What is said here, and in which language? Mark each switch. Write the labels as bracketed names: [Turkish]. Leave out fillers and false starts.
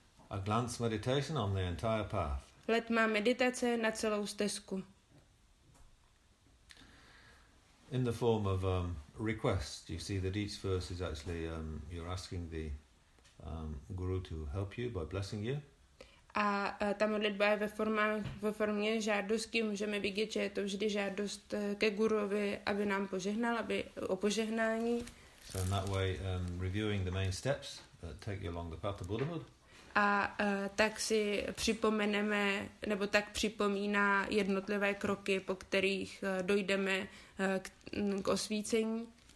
[English] A glance meditation on the entire path. [Czech] Letmá meditace na celou stezku. [English] In the form of request, you see that each verse is actually you're asking the Guru to help you by blessing you. [Czech] A ta modlitba je ve formě žádosti, můžeme vidět, že je to vždy žádost ke guruvi, aby nám požehnal, aby o požehnání. [English] So in that way, reviewing the main steps that take you along the path of Buddhahood. [Czech] A tak si připomeneme, nebo tak připomíná jednotlivé kroky, po kterých dojdeme k osvícení.